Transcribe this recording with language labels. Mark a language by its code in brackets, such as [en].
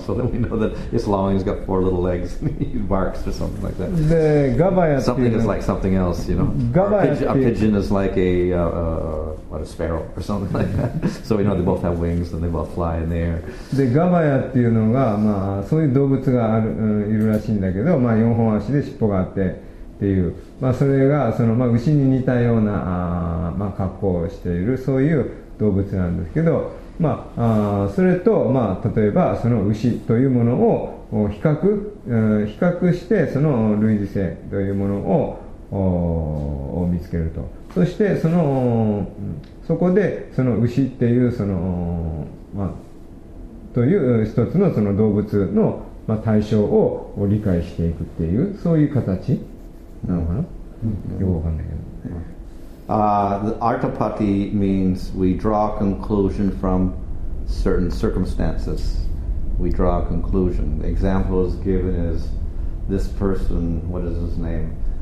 [en] So then we know that it's long, he's got four little legs, he barks or something like that. The gavaya something is like something else, you know. A pigeon is like a sparrow or something like that. So we know they both have wings and they both fly in the air. [ja] The gavaya っていうのが、まあ、そういう動物がある、いるらしいんだけど、まあ、本足で尻尾があってっていう、まあ、それがその、まあ、牛に似たようなまあ、格好をしているそういう動物なんですけど、まあ、それと、まあ、例えばその牛というものを比較してその類似性というものを見つけると、そしてそのそこでその牛っていうその、まあ、という一つのその動物のまあ、対象を理解していくっていうそういう形なのかな、よくわかんないけど、 [en] The artapati means we draw a conclusion from certain circumstances. We draw a conclusion. The example is given is this person, what is his name?